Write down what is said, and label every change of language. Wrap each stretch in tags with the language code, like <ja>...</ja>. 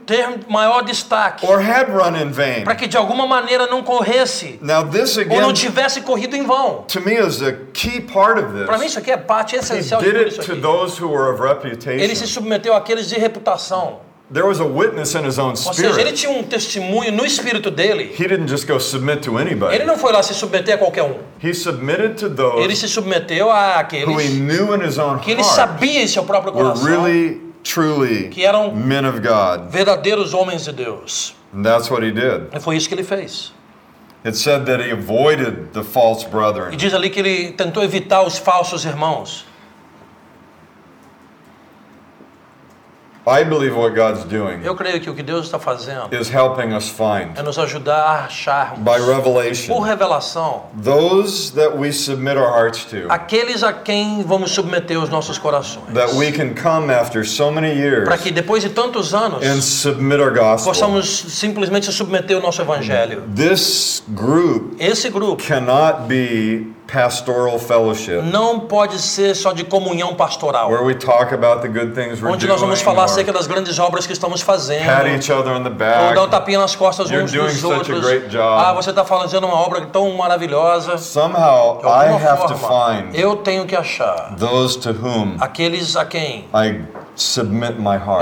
<pt>Ter maior destaque.</pt> <en>Or had run in vain.</en> <pt>Para que de alguma maneira não corresse.</pt> <en>Now this again.</en> <pt>Ou não tivesse corrido em vão.</pt> <en>To me is a key part of this.</en> <pt>Para mim isso aqui é parte essencial.</pt> <en>He did it</en> <pt>isso</pt> <en>to those who were of reputation.</en> <pt>Ele se submeteu àqueles de reputação.</pt> <en>There was a witness in his own spirit.</en> <pt>Ou seja, ele tinha um testemunho no espírito dele.</pt> <en>He didn't just go submit to anybody.</en> <pt>Ele não foi lá se submeter a qualquer um.</pt> <en>He submitted to those</en> <pt>ele se submeteu a aqueles</pt> <en>who he knew in his own</en> <pt>que ele sabia em seu próprio coração</pt> <en>were really, truly</en> <pt>que eram</pt> <en>men of God.</en> <pt>Verdadeiros homens de Deus.</pt> <en>And that's what he did.</en> <pt>E foi isso que ele fez.</pt> <en>It said that he avoided the false brethren.</en> <pt>E diz ali que ele tentou evitar os falsos irmãos.</pt> <en>I believe what God's doing.</en> <pt>Eu creio que o que Deus está fazendo</pt> <en>is helping us find.</en> <pt>É nos ajudar a acharmos.</pt> <en>By revelation.</en> <pt>Por revelação.</pt> <en>Those that we submit our hearts to.</en> <pt>Aqueles a quem vamos submeter os nossos corações.</pt> <en>That we can come after so many years.</en> <pt>Para que depois de tantos anos.</pt> <en>And submit our gospel.</en> <pt>Possamos simplesmente submeter o nosso evangelho.</pt> <en>This group.</en> <pt>Esse grupo.</pt> <en>Cannot be pastoral fellowship.</en> <pt>Não pode ser só de comunhão pastoral.</pt> <en>Where we talk about the good things we're doing.</en> <pt>Onde nós vamos falar acerca das grandes obras que estamos fazendo.</pt> <en>Pat each other on the back.</en> <pt>Ou dar um tapinha nas costas uns dos outros.</pt> <en>You're doing such a great job.</en> <pt>Ah, você está fazendo uma obra tão maravilhosa.</pt> <en>Somehow I have to find.</en> <pt>Eu tenho que achar.</pt> <en>Those to whom.</en> <pt>Aqueles a quem.</pt> <en>I submit my heart.</en>